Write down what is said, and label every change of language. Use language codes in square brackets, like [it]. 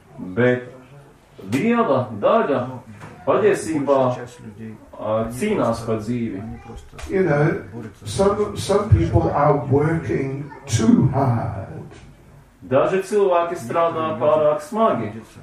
[lv] Bet viela daļa patiesībā cīnās par dzīvi. [en] You know, some people are working too hard. [lv] Daži cilvēki strādā pārāk smagi.